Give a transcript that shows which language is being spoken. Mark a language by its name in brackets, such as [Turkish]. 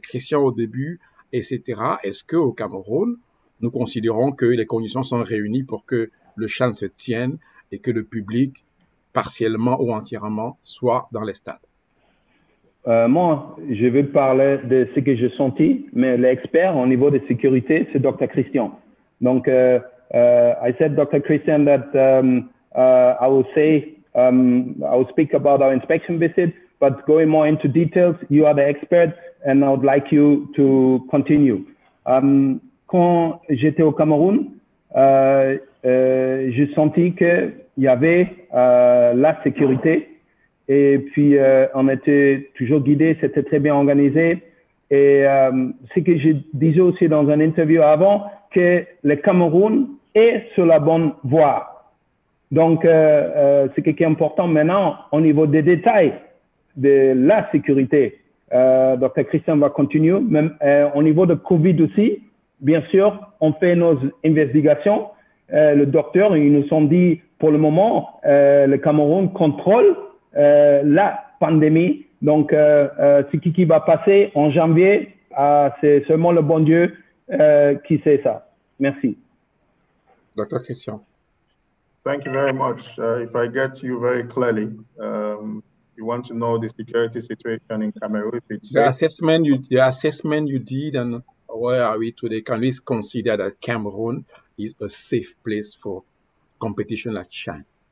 [French] Christian au début, etc.? Est-ce qu'au Cameroun, nous considérons que les conditions sont réunies pour que le CHAN se tienne et que le public, partiellement ou entièrement, soit dans les stades? Moi, je vais parler de ce que j'ai senti, mais l'expert au niveau de sécurité, c'est Dr. [English] Christian. Donc, I said, Dr. Christian, that I will speak about our inspection visit, but going more into details, you are the expert, and I would like you to continue. [French] Quand j'étais au Cameroun, j'ai senti qu'il y avait la sécurité et puis on était toujours guidés, c'était très bien organisé. Et ce que je disais aussi dans une interview avant, que le Cameroun est sur la bonne voie. Donc, ce qui est important maintenant au niveau des détails de la sécurité, Dr. Christian va continuer, même au niveau de COVID aussi, bien sûr, on fait nos investigations. Le docteur, ils nous ont dit, pour le moment, le Cameroun contrôle la pandémie. Donc, ce qui va passer en janvier, c'est seulement le bon Dieu qui sait ça. Merci. [English] Dr. Christian. Thank you very much. If I get you very clearly, you want to know the security situation in Cameroon. If it's the assessment you did and where are we today? Can we consider that Cameroon is a safe place for competition like China?